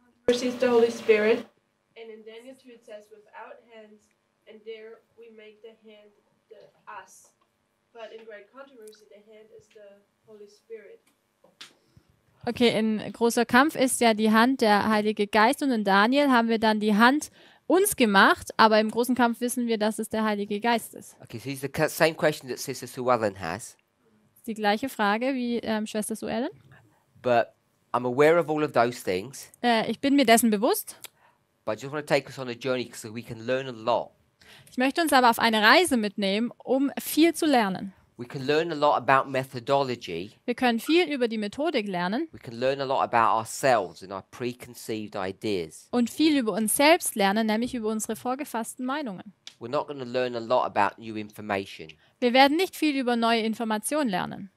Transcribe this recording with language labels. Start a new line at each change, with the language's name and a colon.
English: Is the Holy Spirit, and in Daniel 2 it says without hands, and there we make the hand the us. But in Great Controversy, the hand is the Holy Spirit.
German: Okay, in Großer Kampf ist ja die Hand der Heilige Geist, und in Daniel haben wir dann die Hand uns gemacht, aber im Großen Kampf wissen wir, dass es der Heilige Geist ist.
English: Okay, so it's the same question that Sister Sue Ellen has.
German: Die gleiche Frage wie Schwester Sue Ellen.
English: But I'm aware of all of those things.
German: Ich bin mir dessen bewusst.
English: But I just want to take us on a journey so we can learn a lot.
German: Ich möchte uns aber auf eine Reise mitnehmen, um viel zu lernen.
English: We can learn a lot about methodology.
German: Wir können viel über die Methodik lernen.
English: We can learn a lot about ourselves and our preconceived ideas.
German: Und viel über uns selbst lernen, nämlich über unsere vorgefassten Meinungen.
English: We're not going to learn a lot about new information.
German: Wir werden nicht viel über neue Informationen lernen.